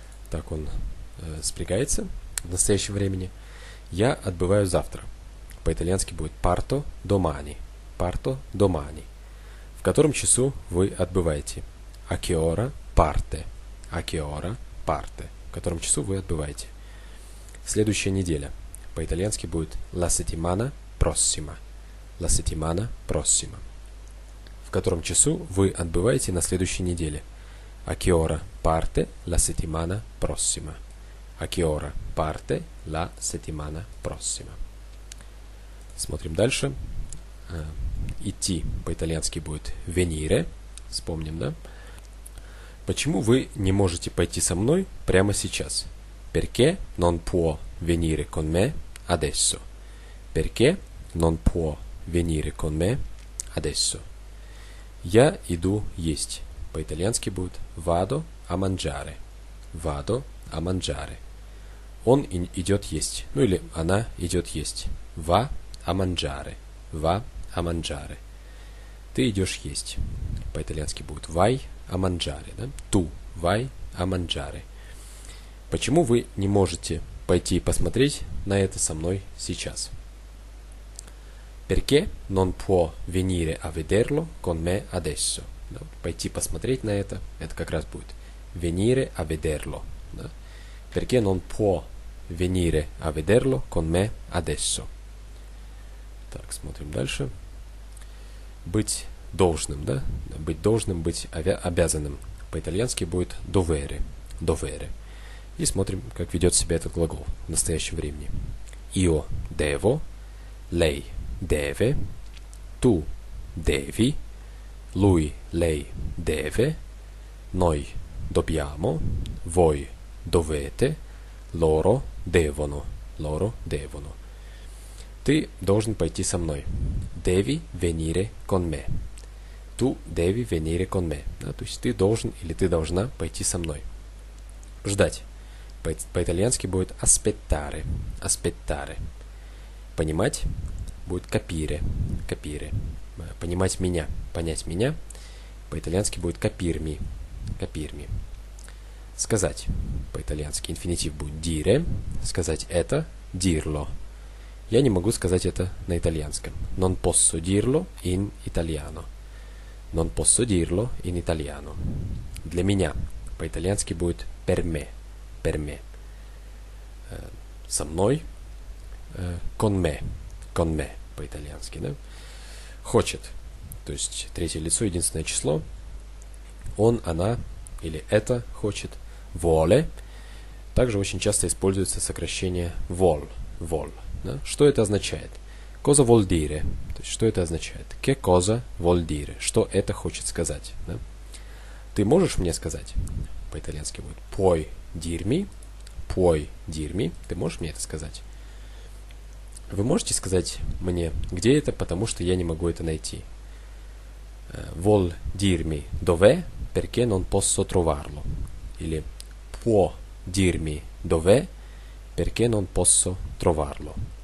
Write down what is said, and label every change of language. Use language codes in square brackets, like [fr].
[ru] Так он спрягается в настоящем времени. Я отбываю завтра. По-итальянски будет [it] parto domani. Parto domani. [ru] В котором часу вы отбываете? [it] A che ora parte? A che ora parte? [ru] В котором часу вы отбываете? Следующая неделя. По-итальянски будет [it] la settimana prossima. La settimana prossima. [ru] В котором часу вы отбываете на следующей неделе? [it] A che ora parte la settimana prossima? A che ora parte la settimana prossima? [ru] Смотрим дальше. Идти по-итальянски будет venire. Вспомним, да? Почему вы не можете пойти со мной прямо сейчас? [it] Perché non può venire con me adesso? Perché non può venire con me adesso? [ru] Я иду есть. По-итальянски будет [it] vado a mangiare. Vado a mangiare. [ru] Он идет есть. Ну или она идет есть. [it] Va a mangiare. Va a mangiare. [ru] Ты идешь есть. По-итальянски будет [it] vai a mangiare. Да? Tu vai a mangiare. [ru] Почему вы не можете пойти посмотреть на это со мной сейчас? [it] Perché non può venire a vederlo con me adesso? [ru] Да? Пойти посмотреть на это как раз будет [it] venire a vederlo. [ru] Да? [it] Perché non può venire a vederlo con me adesso. [ru] Так, смотрим дальше. Быть должным, да? Быть должным, быть обязанным. По-итальянски будет dovere. [it] Dovere. [ru] И смотрим, как ведет себя этот глагол в настоящем времени. [it] Io devo, lei deve, tu devi, lui, lei deve, noi dobbiamo, voi dovete, loro devono, loro devono. [ru] Ты должен пойти со мной. [it] Devi venire con me. Tu devi venire con me. [ru] Да, то есть ты должен или ты должна пойти со мной. Ждать. По-итальянски будет aspettare. [it] Aspettare. [ru] Понимать будет capire. Capire. Понимать меня. Понять меня. По-итальянски будет capirmi. [it] Capirmi. Сказать. [ru] По-итальянски инфинитив будет dire. Сказать это dirlo. Я не могу сказать это на итальянском. [it] Non posso dirlo in italiano. Non posso dirlo in italiano. [ru] Для меня. По-итальянски будет [it] per me. Per me. [ru] Со мной. [it] Con me. Con me. [ru] По-итальянски, да? Хочет. То есть третье лицо, единственное число. Он, она или это хочет. Воле. Также очень часто используется сокращение vol. Vol. Да? Что это означает? [it] Cosa vuol dire? [ru] То есть, что это означает? [it] Che cosa vuol dire? [ru] Что это хочет сказать? Да? Ты можешь мне сказать? По-итальянски будет [it] puoi dirmi. Puoi dirmi. [ru] Ты можешь мне это сказать? Вы можете сказать мне, где это, потому что я не могу это найти. [it] Vuol dirmi dove, perché non posso trovarlo. Или può dirmi dove, perché non posso trovarlo.